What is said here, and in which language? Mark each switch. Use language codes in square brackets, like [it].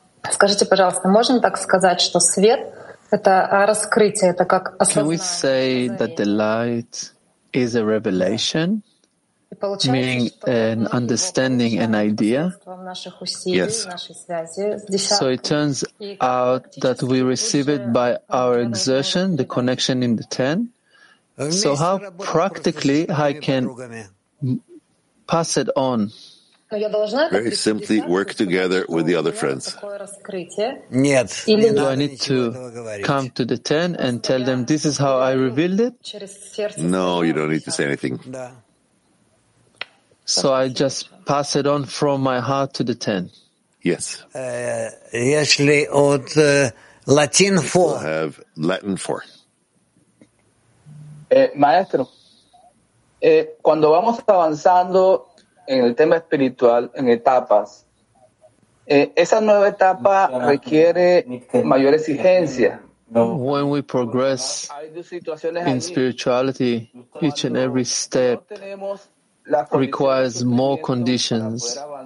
[ru] Скажите, пожалуйста, можно так сказать, что свет? Это раскрытие, это как осознание. [en] Can we say that the light is a revelation, meaning an understanding, an idea? Yes. So it turns out that we receive it by our exertion, the connection in the ten. So how practically I can pass it on? Very simply, work together with the other friends. Do I need to come to the 10 and tell them this is how I revealed it? No, you don't need to say anything. So I just pass it on from my heart to the 10. Yes. Actually, od Latin 4. I have Latin 4. [es] Maestro, cuando vamos avanzando en el tema espiritual, en etapas. Esa nueva etapa requiere mayor exigencia. [en] When we progress in spirituality, each and every step requires more conditions.